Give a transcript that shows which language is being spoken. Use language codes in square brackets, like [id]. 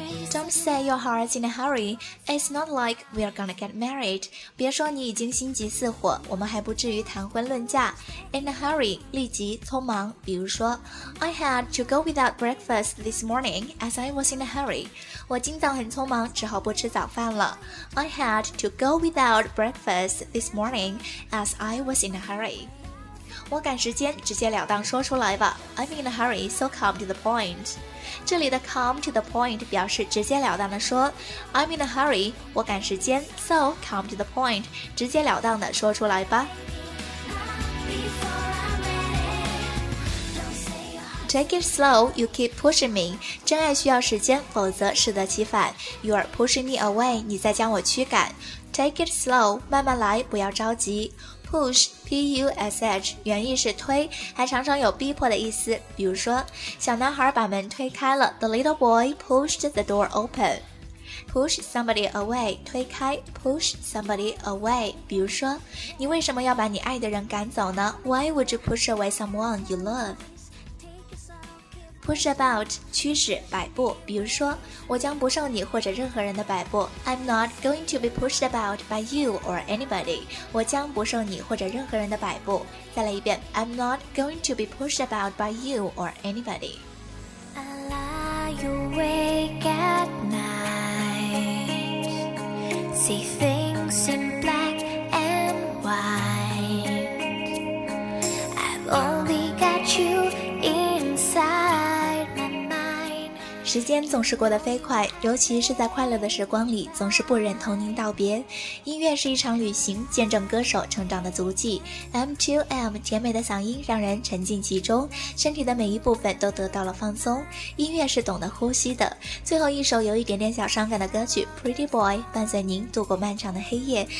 [en] Don't say your heart's in a hurry. It's not like we're gonna get married. [zh] 别说你已经心急似火，我们还不至于谈婚论嫁。 [en] In a hurry, [zh] 立即、匆忙。 比如说 [en] ，I had to go without breakfast this morning as I was. In a hurry. [zh] 我今早很匆忙，只好不吃早饭了。 [en] I had to go without breakfast this morning as I was in a hurry. [zh] 我赶时间，直截了当说出来吧。 [en] I'm in a hurry, so come to the point. [zh] 这里的 [en] come to the point [zh] 表示直截了当的说。 [en] I'm in a hurry, [zh] 我赶时间 [en] so come to the point, [zh] 直截了当的说出来吧。 [en] Take it slow, you keep pushing me. [zh] 真爱需要时间，否则适得其反。 [en] You are pushing me away, [zh] 你在将我驱赶。 [en] Take it slow, [zh] 慢慢来，不要着急。Push, P-U-S-H, 原意是推，还常常有逼迫的意思。比如说，小男孩把门推开了。 [en] The little boy pushed the door open. Push somebody away, [zh] 推开 [en] push somebody away. [zh] 比如说，你为什么要把你爱的人赶走呢？ [en] Why would you push away someone you love? Push about, [zh] 驱使、摆布。比如说，我将不受你或者任何人的摆布。 [en] I'm not going to be pushed about by you or anybody. [zh] 我将不受你或者任何人的摆布。再来一遍。 [en] I'm not going to be pushed about by you or anybody. I lie awake at night. see things in black and white. I've only got you inside my mind. [zh] 时间总是过得飞快，尤其是在快乐的时光里，总是不忍同您道别。音乐是一场旅行，见证歌手成长的足迹。M2M 甜美的嗓音让人沉浸其中，身体的每一部分都得到了放松。音乐是懂得呼吸的。最后一首有一点点小伤感的歌曲 Pretty Boy 伴随您度过漫长的黑夜。